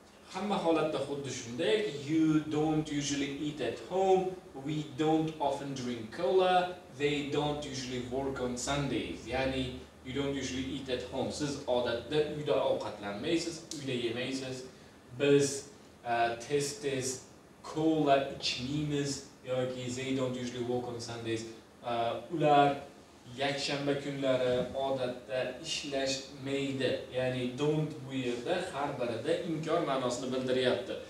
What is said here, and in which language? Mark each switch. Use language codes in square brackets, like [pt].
[uz] Hamma holatda xuddi shunday, [en] you don't usually eat at home, we don't often drink cola, they don't usually work on Sundays. [uz] Ya'ni [en] you don't usually eat at home. [uz] Siz odatda uyda ovqatlanmaysiz, uyda yemaysiz. Biz tez-tez cola ichmaymiz, yoki [en] they don't usually work on Sundays. [uz] Ular yakshanba kunlari odatda ishlashmaydi. Ya'ni don't bu yerda har birida inkor ma'nosini bildiryapti.